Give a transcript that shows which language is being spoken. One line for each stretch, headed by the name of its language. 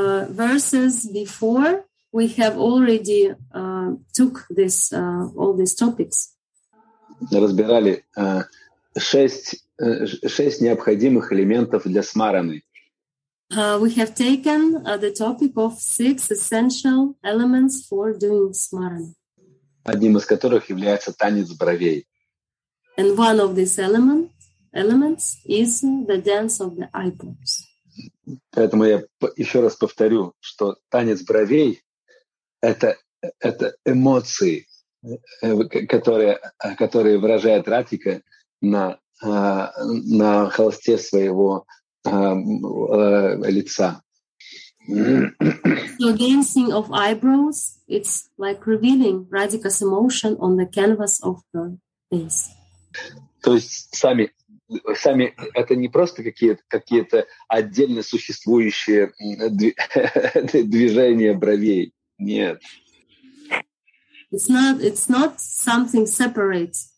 English: Verses before we have already took this all these topics.
Russian: Разбирали шесть необходимых элементов для смараны.
English: We have taken the topic of six essential elements for doing smarana.
Russian: Одним из которых является танец бровей.
English: And one of these elements is the dance of the eyebrows.
Russian: Поэтому я еще раз повторю, что танец бровей — это эмоции, которые выражает Радхика на холсте своего лица.
English: So dancing of eyebrows, it's like revealing Radhika's emotion on the canvas of her face.
Russian: То есть сами это не просто какие-то отдельно существующие движения бровей. Нет.
English: It's not something separate.